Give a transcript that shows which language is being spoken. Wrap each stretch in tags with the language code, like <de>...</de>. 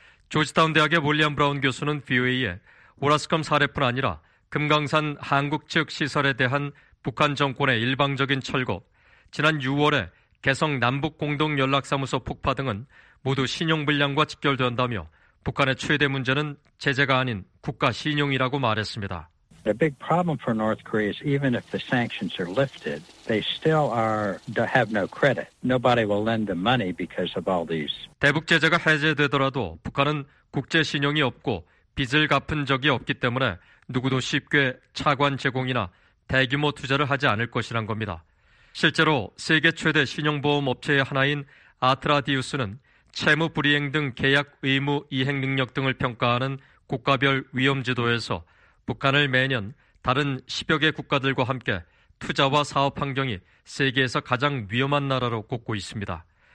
<ko>조지타운 대학의 윌리엄 브라운 교수는 VOA에 오라스컴 사례뿐 아니라 금강산 한국 측 시설에 대한 북한 정권의 일방적인 철거, 지난 6월에 개성 남북공동연락사무소 폭파 등은 모두 신용불량과 직결된다며 북한의 최대 문제는 제재가 아닌 국가 신용이라고 말했습니다.</ko> <en>The big problem for North Korea is even if the sanctions are lifted, they still are to have no credit. Nobody will lend them money because of all these.</en> <ko>대북 제재가 해제되더라도 북한은 국제 신용이 없고 빚을 갚은 적이 없기 때문에 누구도 쉽게 차관 제공이나 대규모 투자를 하지 않을 것이란 겁니다. 실제로 세계 최대 신용보험 업체의 하나인 아트라디우스는 채무 불이행 등 계약 의무 이행 능력 등을 평가하는 국가별 위험 지도에서 북한을 매년 다른 10여 개 국가들과 함께 투자와 사업 환경이 세계에서 가장 위험한 나라로 꼽고 있습니다.</ko>